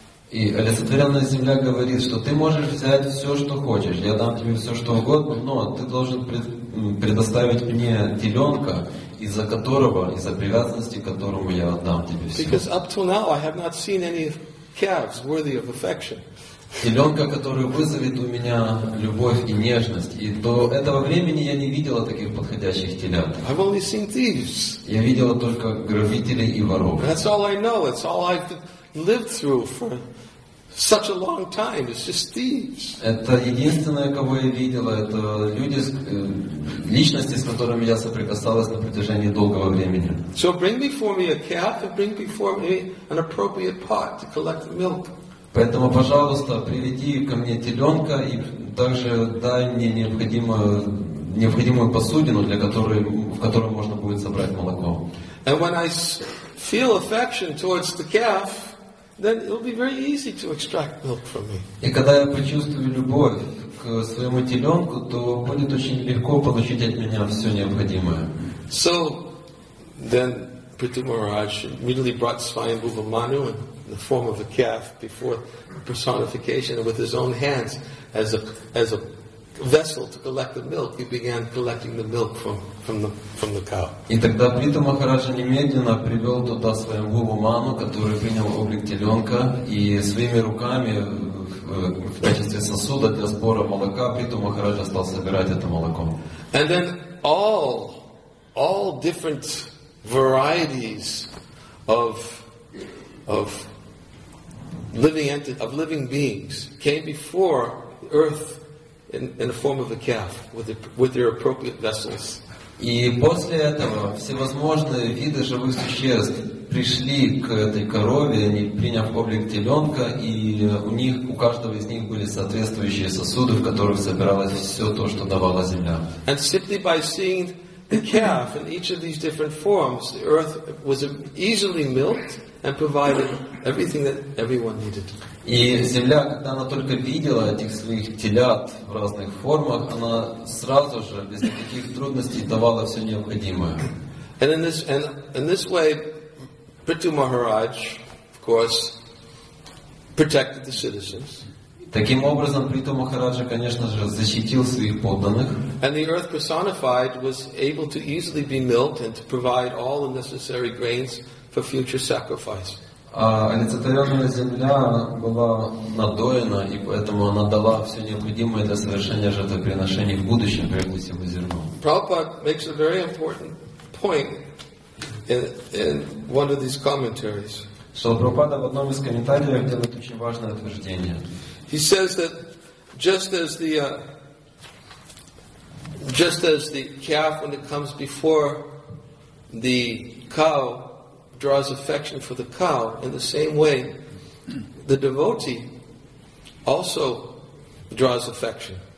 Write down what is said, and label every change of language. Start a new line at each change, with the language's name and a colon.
Russian: И олицетворенная земля говорит, что ты можешь взять все, что хочешь, я дам тебе все, что угодно, но ты должен предоставить мне теленка, из-за которого, из-за привязанности к которому я отдам тебе все.
English: Because up till now I have not seen any calves worthy of affection.
Russian: Теленка, который вызовет у меня любовь и нежность. И до этого времени я не видела таких подходящих телят.
English: I've only seen thieves.
Russian: Я видела только грабителей и воров.
English: That's all I know. It's all I've lived through for such a long time. It's just thieves.
Russian: Это единственное, кого я видела, это люди, личности, с которыми я соприкасалась на протяжении долгого времени.
English: So bring before me a calf and bring before me an appropriate pot to collect the milk.
Russian: Поэтому, пожалуйста, приведи ко мне теленка и также дай мне необходимую посудину, для которой, в которой можно будет собрать молоко.
English: And when I feel affection towards the calf, then it will be very easy to extract milk from me.
Russian: И когда я почувствую любовь к своему теленку, то будет очень легко получить от меня все необходимое.
English: So then Prithu Maharaj immediately brought Svayambhuva Manu in the form of a calf before personification, and with his own hands as a vessel to collect the milk, he began collecting the milk from the cow.
Russian: И тогда Прита Махараджа немедленно привел туда своего гуру Ману, который принял облик теленка, и своими руками в качестве сосуда для сбора молока Прита Махараджа стал собирать это молоко.
English: And then all different varieties of living beings came before earth. In the form of a calf, with their appropriate vessels.
Russian: И после этого всевозможные виды живых существ пришли к этой корове, они приняв облик теленка, и у них у каждого из них были соответствующие сосуды, в которых собиралось все то, что давала земля.
English: And simply by seeing the calf in each of these different forms, the earth was easily milked and provided everything that everyone needed.
Russian: И земля, когда она только видела этих своих телят в разных формах, она сразу же, без никаких трудностей, давала все необходимое.
English: And in this way, Prithu Maharaj, of course, protected the citizens.
Russian: Таким образом, Прита Махараджа, конечно же, защитил своих подданных.
English: And the earth personified was able to easily be milked and to provide all the necessary grains for future sacrifice.
Russian: А олицетворенная земля была надоена, и поэтому она дала все необходимое для совершения жертвоприношений в будущем, прежде всего зерно.
English: Prabhupada makes a very important point in one of these commentaries.
Russian: Шрила Прабхупада в одном из комментариев делает очень важное утверждение.
English: He says that just as the calf, when it comes before the cow, draws affection for the cow, in the same way, the devotee also draws affection.